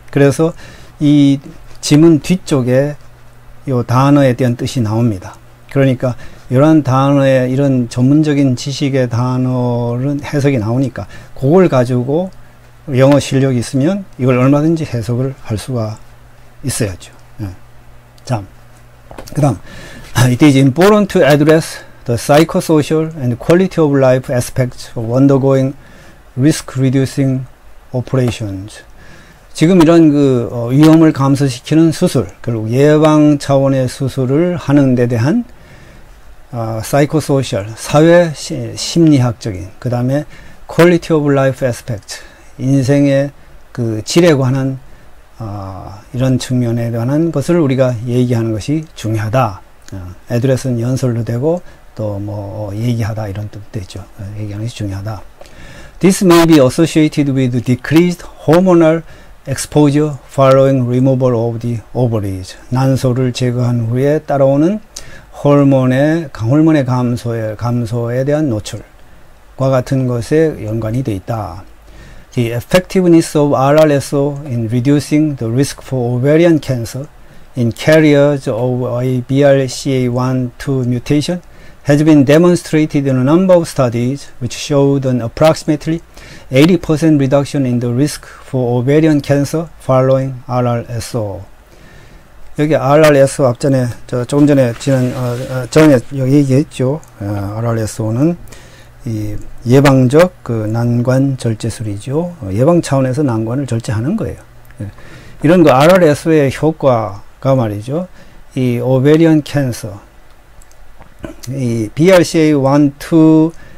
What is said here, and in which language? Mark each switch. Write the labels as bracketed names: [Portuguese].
[Korean] 그래서 이 지문 뒤쪽에 요 단어에 대한 뜻이 나옵니다. 그러니까 이런 단어에 이런 전문적인 지식의 단어는 해석이 나오니까 그걸 가지고 영어 실력이 있으면 이걸 얼마든지 해석을 할 수가 있어야죠. 예. 자, 그 다음 [English] It is important to address the psychosocial and quality of life aspects of undergoing risk reducing operations. [Korean] 지금 이런 그 위험을 감소시키는 수술, 그리고 예방 차원의 수술을 하는 데 대한 사이코소셜, 사회 심리학적인 그 다음에 퀄리티 오브 라이프 애스펙트, 인생의 그 질에 관한 이런 측면에 관한 것을 우리가 얘기하는 것이 중요하다. 애드레스는 연설로 되고 또 뭐 얘기하다 이런 뜻도 있죠. 얘기하는 것이 중요하다. [English] This may be associated with decreased hormonal exposure following removal of the ovaries. [Korean] 난소를 제거한 후에 따라오는 호르몬의 감소에 대한 노출과 같은 것에 연관이 되어 있다. [English] The effectiveness of RRSO in reducing the risk for ovarian cancer in carriers of a BRCA1-2 mutation has been demonstrated in a number of studies which showed an approximately 80% reduction in the risk for ovarian cancer following RRSO. [Korean] 여기 RRSO 앞전에 저 조금 전에 지난 전에 여기 얘기했죠. RRSO는 이 예방적 그 난관 절제술이죠. 예방 차원에서 난관을 절제하는 거예요. 이런 그 RRSO의 효과가 말이죠. 이 ovarian cancer 이 BRCA1-2